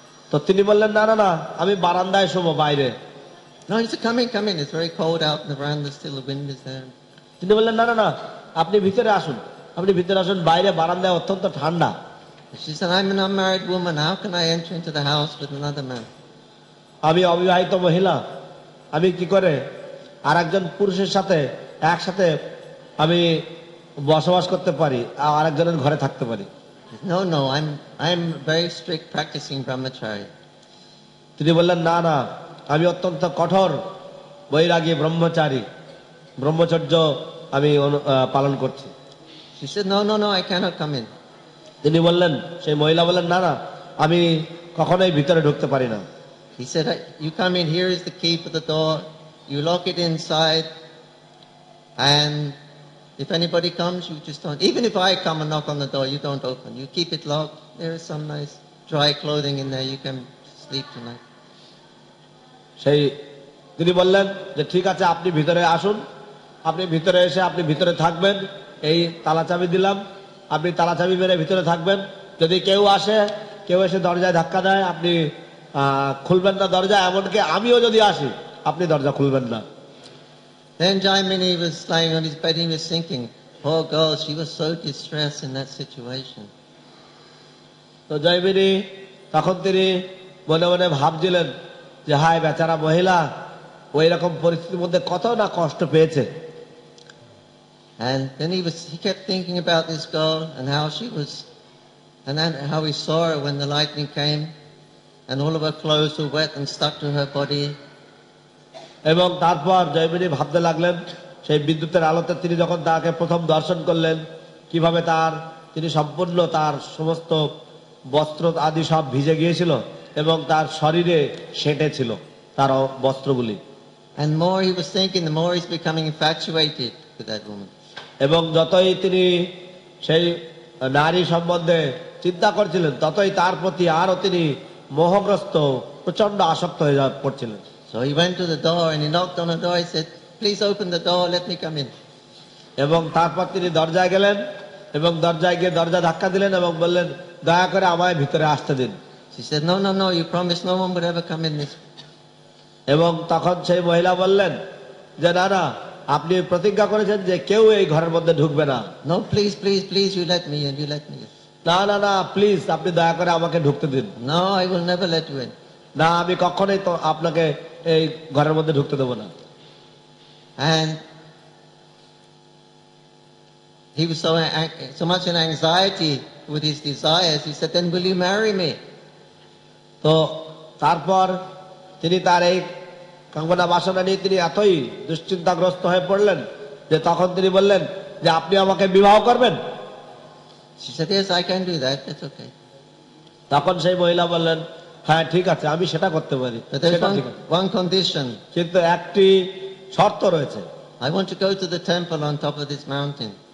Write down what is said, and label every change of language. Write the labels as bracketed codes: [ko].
[bn] তো তিনি বললেন, না না না, আমি বারান্দায় শুবো বাইরে। [en] "No, he said, come in, come in. It's very cold out in the veranda still. The wind is there." [bn] তিনি বললেন, না না না, আপনি ভিতরে আসুন, আপনি ভিতরে আসুন, বাইরে বারান্দায় অত্যন্ত ঠান্ডা। [en] She said, "I'm an unmarried woman. How can I enter into the house with another man?" [bn] আমি অবিবাহিত মহিলা, আমি কি করে আরেকজন পুরুষের সাথে একসাথে আমি বসবাস করতে পারি, আরেকজনের ঘরে থাকতে পারি? [en] "No, no, I'm very strict practicing brahmachari." [bn] তিনি বললেন, না না, আমি অত্যন্ত কঠোর বৈরাগী ব্রহ্মচারী, ব্রহ্মচর্য আমি পালন করছি। [en] She said, "No, no, no, I cannot come in." [bn] তিনি বললেন, সেই মহিলা বললেন, না না, আমি কখনোই ভিতরে ঢুকতে পারি না। [en] He said, "You come in, here is the key for the door. You lock it inside and if anybody comes, you just don't, even if I come and knock on the door, you don't open. You keep it locked. There is some nice dry clothing in there. You can sleep tonight." [bn] সেই তিনি বললেন যে ঠিক আছে, আপনি ভিতরে আসুন, আপনি ভিতরে এসে আপনি ভিতরে থাকবেন, এই তালাচাবি দিলাম, আপনি তালাচাবি মেরে ভিতরে থাকবেন, যদি কেউ আসে, কেউ এসে দরজায় ধাক্কা দেয়, আপনি খুলবেন না দরজা, এমনকি আমিও যদি আসি, আপনি দরজা খুলবেন না। [en] Then Jaimini was lying on his bed, he was thinking, poor girl, she was so distressed in that situation. [bn] তো জয়মিনি তখন তিনি মনে মনে ভাবছিলেন যে হায় বেচারা মহিলা, ওই রকম পরিস্থিতির মধ্যে কত না কষ্ট পেয়েছে। [en] And then he kept thinking about this girl and how she was, and then how he saw her when the lightning came and all of her clothes were wet and stuck to her body. [bn] এবং তারপর জয়মিনী ভাবতে লাগলেন, সেই বিদ্যুতের আলোতে তিনি যখন তাকে প্রথম দর্শন করলেন, কিভাবে তার তিনি সম্পূর্ণ তার সমস্ত বস্ত্র আদি সব ভিজে গিয়েছিল এবং তার শরীরে সেঁটে ছিল তার বস্ত্রগুলি। [en] And more he was thinking, the more he's becoming infatuated with that woman. [bn] এবং যতই তিনি সেই নারী সম্বন্ধে চিন্তা করছিলেন, ততই তার প্রতি আরো তিনি মোহগ্রস্ত, প্রচন্ড আসক্ত হয়ে পড়ছিলেন। [en] So he went to the door and he knocked on the door. He said, "Please open the door, let me come in." [bn] এবং তারপর তিনি দরজায় গেলেন এবং দরজায় গিয়ে দরজা ধাক্কা দিলেন এবং বললেন, দয়া করে আমায় ভিতরে আসতে দিন। [en] She said, "No, no, no, you promised no one would ever come in this." [bn] এবং তখন সেই মহিলা বললেন যে, না না, আপনি প্রতিজ্ঞা করেছেন যে কেউ এই ঘরের মধ্যে ঢুকবে না। [en] "No, please, please, please, you let me in, you let me in." [bn] না না না, প্লিজ, আপনি দয়া করে আমাকে ঢুকতে দিন। [en] "No, I will never let you in." [bn] না, আমি কখনোই তো আপনাকে এই ঘরের মধ্যে ঢুকতে দেব না। [en] And he was so much in anxiety with his desires, he said, "Then will you marry me?" [bn] তো তারপর তিনি তার এই কাঙ্ক্ষা বাসনা নিয়ে তিনি এতই দুশ্চিন্তাগ্রস্ত হয়ে পড়লেন যে তখন তিনি বললেন যে, আপনি আমাকে বিবাহ করবেন? [en] She said, "Yes, I can do that. That's okay." [bn] তখন সেই মহিলা বললেন, হ্যাঁ ঠিক আছে, আমি সেটা করতে পারি। [en] One condition. [bn] কিন্তু একটি শর্ত রয়েছে। [en] I want to go to the temple on top of this mountain.